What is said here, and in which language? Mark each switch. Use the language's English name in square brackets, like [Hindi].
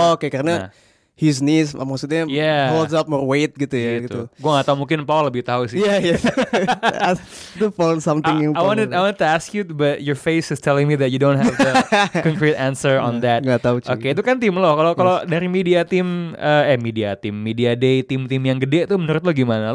[Indonesian] Karena his knees, maksudnya [English] holds up more weight [Indonesian] gitu ya. Gitu. Gue gak tahu, mungkin Paul lebih tahu sih. Itu Paul something yang Paul. [English] I wanted to ask you, but your face is telling me that you don't have the concrete answer on that. [Indonesian] Gak tahu sih. Okay, itu kan tim lo, kalau dari media tim, media day, tim-tim yang gede tuh menurut lo gimana?